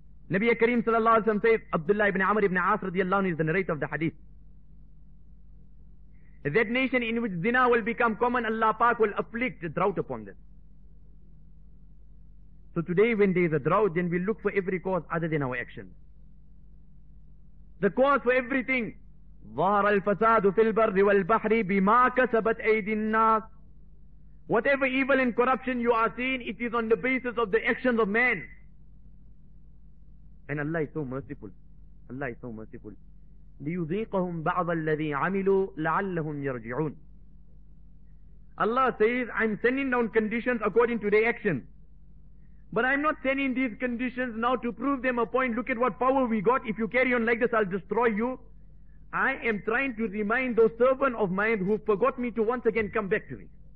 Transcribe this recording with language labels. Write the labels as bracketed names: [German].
[English] Nabiya Kareem sallallahu alayhi wa sallam says, Abdullah ibn Amr ibn As radiallahu anhu is the narrator of the hadith. That nation in which zina will become common, Allah Pak will afflict the drought upon them. So today when there is a drought, then we look for every cause other than our action. The cause for everything. [Arabic] ظهر الفساد في البر والبحر بما كسبت أيدي الناس. [English] Whatever evil and corruption you are seeing, it is on the basis of the actions of man. And Allah is so merciful. Allah is so merciful. [Arabic] ليذيقهم بعض الذي عملوا لعلهم يرجعون. [English] Allah says, I'm sending down conditions according to the actions. But I'm not sending these conditions now to prove them a point. Look at what power we got. If you carry on like this, I'll destroy you. I am trying to remind those servants of mine who forgot me to once again come back to me.